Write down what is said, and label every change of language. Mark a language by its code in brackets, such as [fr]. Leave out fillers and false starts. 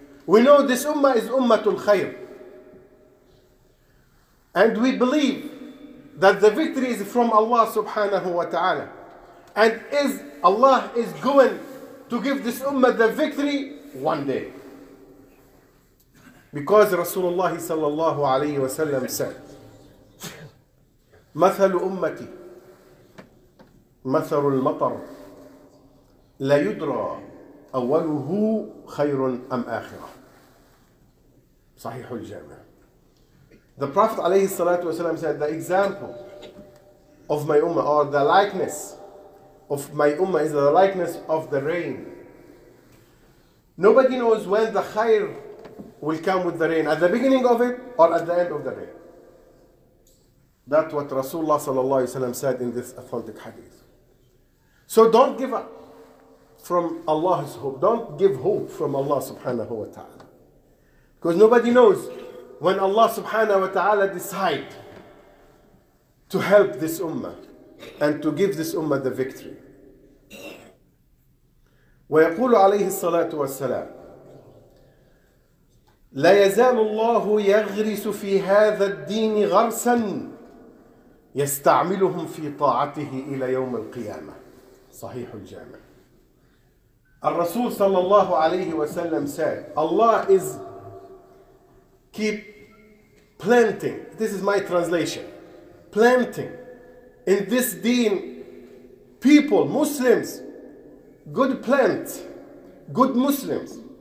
[en] We know this ummah is ummatul khair. And we believe that the victory is from Allah subhanahu wa ta'ala. And is Allah is going to give this ummah the victory one day. Because Rasulullah sallallahu alayhi wa sallam said, [ar] مثل أمتي مثل المطر لا يدرى أوله خير أم آخرة صحيح الجامع. [en] The Prophet عليه الصلاة والسلام said, the example of my ummah or the likeness of my ummah is the likeness of the rain. Nobody knows when the khair will come with the rain, at the beginning of it or at the end of the rain. That's what Rasulullah sallallahu alayhi wa sallam said in this authentic hadith. So don't give up from Allah's hope. Don't give hope from Allah subhanahu wa ta'ala. Because nobody knows when Allah subhanahu wa ta'ala decide to help this ummah and to give this ummah the victory. [ar] وَيَقُولُ عَلَيْهِ الصَّلَاةُ وَالسَّلَامُ لَا يَزَالُ اللَّهُ يَغْرِسُ فِي هَذَا الدِّينِ غَرْسًا يستعملهم في طاعته إلى يوم القيامة صحيح الجامع. [en] الرسول صلى الله عليه وسلم said, Allah is keep planting, this is my translation, planting in this deen people, Muslims, good plant, good Muslims.